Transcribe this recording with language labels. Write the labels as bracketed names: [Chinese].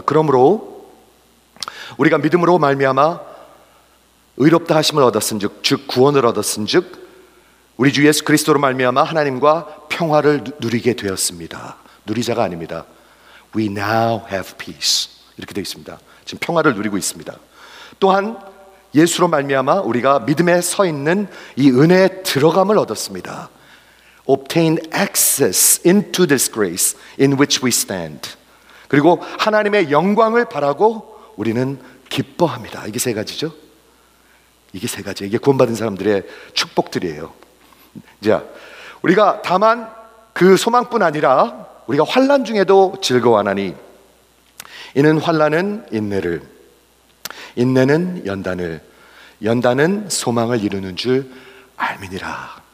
[Korean] 그러므로 우리가 믿음으로 말미암아 의롭다 하심을 얻었은 즉, 즉 구원을 얻었은 즉 우리 주 예수 그리스도로 말미암아 하나님과 평화를 누리게 되었습니다. 누리자가 아닙니다. [English] We now have peace. [Korean] 이렇게 되어 있습니다. 지금 평화를 누리고 있습니다. 또한 예수로 말미암아 우리가 믿음에 서 있는 이 은혜에 들어감을 얻었습니다. [English] Obtain access into this grace in which we stand. [Korean] 그리고 하나님의 영광을 바라고 우리는 기뻐합니다. 이게 세 가지죠. 이게 세 가지. 이게 구원받은 사람들의 축복들이에요. 자, 우리가 다만 그 소망뿐 아니라 우리가 환난 중에도 즐거워하나니 이는 환난은 인내를, 인내는 연단을, 연단은 소망을 이루는 줄 알미니라.